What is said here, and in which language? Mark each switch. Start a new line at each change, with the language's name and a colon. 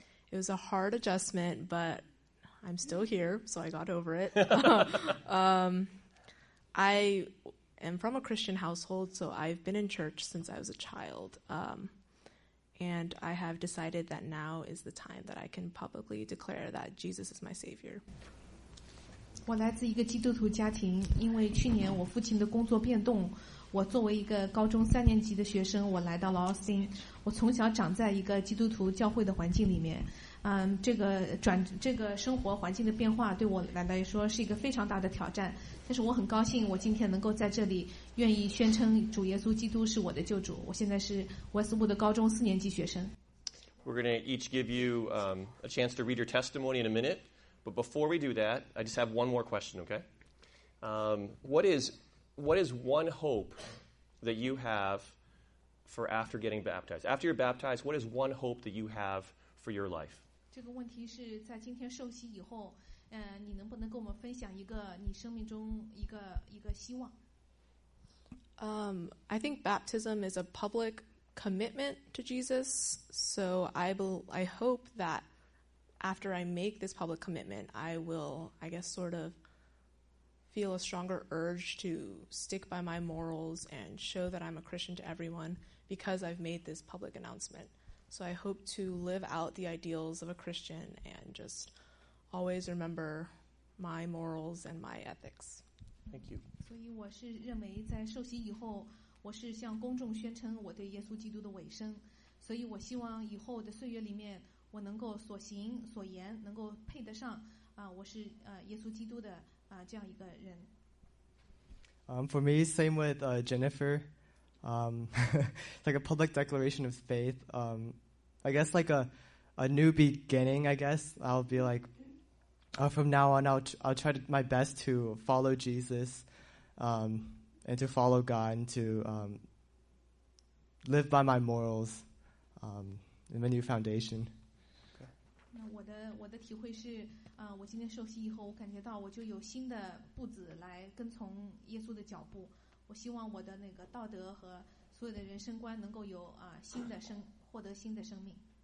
English: It was a hard adjustment, but I'm still here, so I got over it. I am from a Christian household, so I've been in church since I was a child. And I have decided that now is the time that I can publicly declare that Jesus is my Savior.
Chinese: 我来自一个基督徒家庭，因为去年我父亲的工作变动，我作为一个高中三年级的学生，我来到了奥斯汀。我从小长在一个基督徒教会的环境里面，这个生活环境的变化对我来说是一个非常大的挑战。但是我很高兴，我今天能够在这里，愿意宣称主耶稣基督是我的救主。我现在是威斯布的高中四年级学生。
English: We're going to each give you a chance to read your testimony in a minute, but before we do that, I just have one more question, okay? What is one hope that you have for after getting baptized? After you're baptized, what is one hope that you have for your life?
Chinese: 这个问题是在今天受洗以后，你能不能跟我们分享一个你生命中一个希望？
English: I think baptism is a public commitment to Jesus, so I hope that after I make this public commitment, I will, I guess, sort of feel a stronger urge to stick by my morals and show that I'm a Christian to everyone because I've made this public announcement. So I hope to live out the ideals of a Christian and just always remember my morals and my ethics. Thank you.
Chinese: 所以我是认为在受洗以后，我是向公众宣称我对耶稣基督的委身，所以我希望以后的岁月里面，我能够所行所言能够配得上我是耶稣基督的这样一个人。
English: For me, same with Jennifer. like a public declaration of faith. I guess like a new beginning. I guess I'll be like, from now on, I'll try my best to follow Jesus. And to follow God, and to live by my morals, in the new foundation.
Chinese: 那我的体会是，我今天受洗以后，我感觉到我就有新的步子来跟从耶稣的脚步。我希望我的那个道德和所有的人生观能够有新的生，获得新的生命。